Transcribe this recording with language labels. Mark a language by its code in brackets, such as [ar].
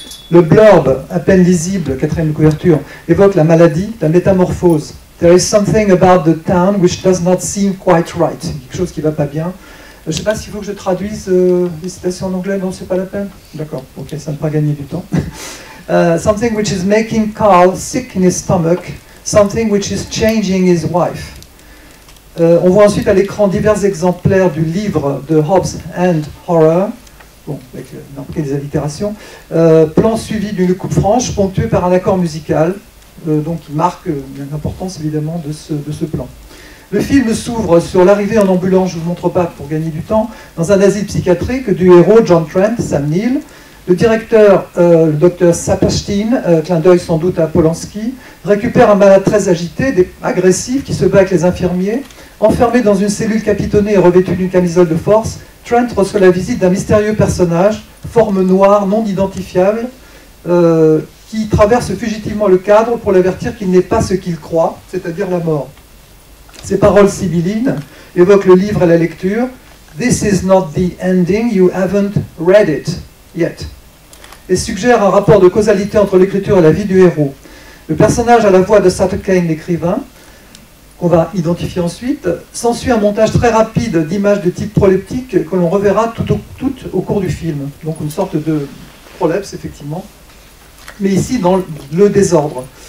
[fr] Le blurb, à peine lisible, quatrième couverture, évoque la maladie, la métamorphose. [en] « There is something about the town which does not seem quite right », [fr] quelque chose qui ne va pas bien. Je ne sais pas s'il faut que je traduise les citations en anglais, non, ce n'est pas la peine. D'accord, ok, ça ne va pas gagner du temps. [en] Something which is making Carl sick in his stomach, something which is changing his wife. [fr] On voit ensuite à l'écran divers exemplaires du livre de Hobbes and Horror, bon, avec marqué des allitérations, plan suivi d'une coupe franche ponctuée par un accord musical, donc qui marque l'importance évidemment de ce plan. Le film s'ouvre sur l'arrivée en ambulance, je ne vous montre pas pour gagner du temps, dans un asile psychiatrique du héros John Trent, Sam Neill, le directeur, le docteur Saperstein, clin d'œil sans doute à Polanski, récupère un malade très agité, agressif, qui se bat avec les infirmiers. Enfermé dans une cellule capitonnée et revêtu d'une camisole de force, Trent reçoit la visite d'un mystérieux personnage, forme noire, non identifiable, qui traverse fugitivement le cadre pour l'avertir qu'il n'est pas ce qu'il croit, c'est-à-dire la mort. Ces paroles sibyllines évoquent le livre et la lecture, [en] This is not the ending, you haven't read it yet. [fr] Et suggère un rapport de causalité entre l'écriture et la vie du héros. Le personnage à la voix de Sutter Kane, l'écrivain, qu'on va identifier ensuite, s'ensuit un montage très rapide d'images de type proleptique que l'on reverra tout au cours du film. Donc une sorte de prolepse, effectivement. Mais ici, dans le désordre.